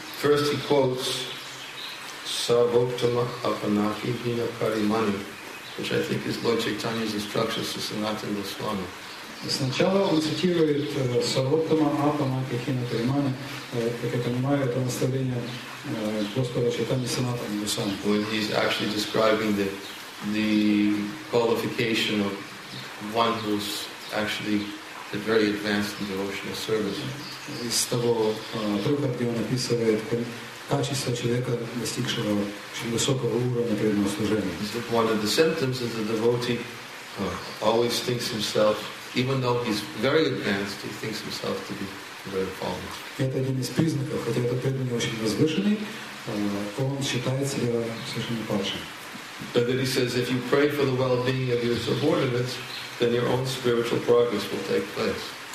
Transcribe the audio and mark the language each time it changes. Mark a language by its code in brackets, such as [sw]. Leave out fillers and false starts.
[en] First he quotes Savoktama Apanaki Hina Karimani, which I think is Lord Chaitanya's instructions to Sanatana Goswami. [ru] Сначала он цитирует Савоктама Апанаки Хина Каримани, как я понимаю, это наставление Господа Чайтани Санатана Госвами. [en] When he's actually describing the qualification of one who's actually the very advanced devotional service. [ru] Из того трупа, где он описывает качество человека, достигшего очень высокого уровня преданного служения. [en] One of the symptoms is the devotee always thinks himself, even though he's very advanced, he thinks himself to be very fallen. [ru] Это один из признаков, хотя этот преданный очень возвышенный, он считает себя совершенно падшим. [en] But then he says, if you pray for the well-being of your subordinates, then your own spiritual progress will take place.